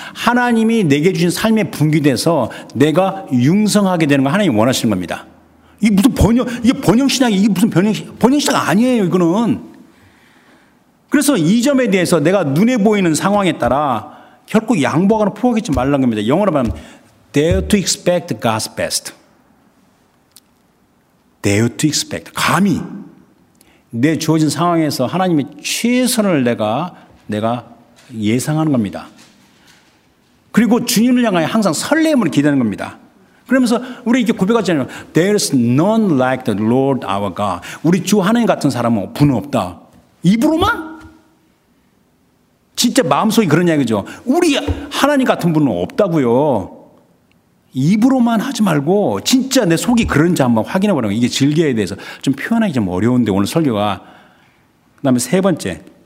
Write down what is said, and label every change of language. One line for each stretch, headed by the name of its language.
Korean: 하나님이 내게 주신 삶의 분기돼서 내가 융성하게 되는 걸 하나님 원하시는 겁니다. 이게 무슨 번영, 이게 번영신학이 이게 무슨 번영신학 아니에요, 이거는. 그래서 이 점에 대해서 내가 눈에 보이는 상황에 따라 결코 양보하거나 포기하지 말라는 겁니다. 영어로 말하면
English: dare to expect God's best. dare to expect. 감히.
Korean: 내 주어진 상황에서 하나님의 최선을 내가 예상하는 겁니다. 그리고 주님을 향하여 항상 설렘을 기대하는 겁니다. 그러면서 우리 이렇게 고백하잖아요.
English: There's none like the Lord our God.
Korean: 우리 주 하나님 같은 사람은 분은 없다. 입으로만? 진짜 마음속이 그러냐 이거죠. 우리 하나님 같은 분은 없다고요. 입으로만 하지 말고 진짜 내 속이 그런지 한번 확인해 보라고. 이게 즐겨에 대해서 좀 표현하기 좀 어려운데 오늘 설교가. 그다음에 세 번째.